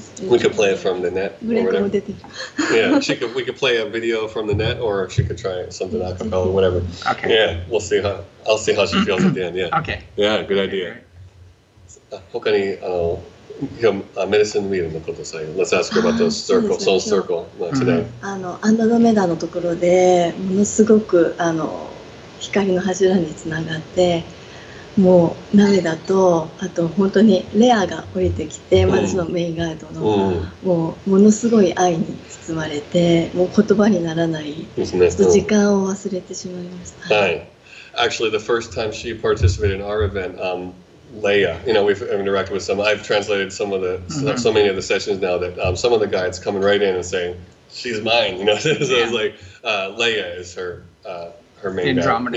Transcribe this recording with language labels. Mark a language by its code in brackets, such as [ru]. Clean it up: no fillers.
[en] We could play it from the net. Yeah, she could. We could play a video from the net, or she could try something a cappella, whatever. Okay. Yeah, we'll see how. I'll see how she feels at the end. Yeah. Okay. Yeah, good idea. Okay, right. [ja] 他にメディシンウィールのことさ、 [en] Let's ask her about those circle, soul circle today. [ja] あのアンドロメダのところでものすごくあの光の柱につながって。もう鍋だとあと本当にレアが降りてきて、うん、まずそのメインガイドの、うん、もうものすごい愛に包まれてもう言葉にならないです、ね、ちょっと時間を忘れてしまいました、うん、はい [en] Actually the first time she participated in our event Leia, you know, we've interacted with some I've translated some of the、mm-hmm. so many of the sessions now that、some of the guides coming right in and saying she's mine, you know, so、yeah. it's like、Leia is herher main Andromeda.